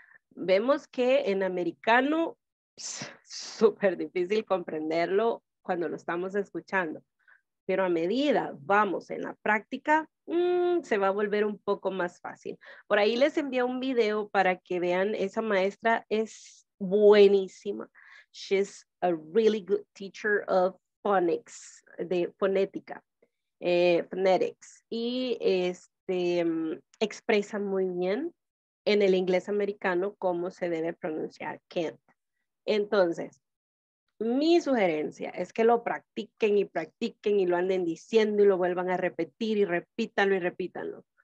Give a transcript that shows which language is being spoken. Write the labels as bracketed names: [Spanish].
[Spanish] Vemos que en americano, súper difícil comprenderlo cuando lo estamos escuchando. Pero a medida vamos en la práctica, se va a volver un poco más fácil. Por ahí les envié un video para que vean, esa maestra es buenísima. [English] She's a really good teacher of phonics, [Spanish] de fonética. [English] Phonetics. [Spanish] Y expresa muy bien en el inglés americano cómo se debe pronunciar can't. Entonces, mi sugerencia es que lo practiquen y lo anden diciendo y lo vuelvan a repetir y repítanlo y repítanlo.